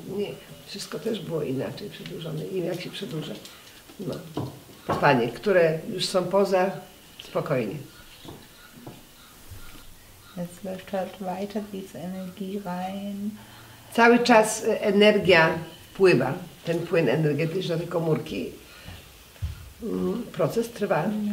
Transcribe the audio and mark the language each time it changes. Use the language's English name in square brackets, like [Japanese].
[Polish] Nie, wszystko też było inaczej przedłużone. I jak się przedłuża? No. Panie, które już są poza, spokojnie. [German] Es läuft halt weiter diese Energie rein. [Polish] Cały czas energia pływa. Ten płyn energetyczny tej komórki, proces trwa.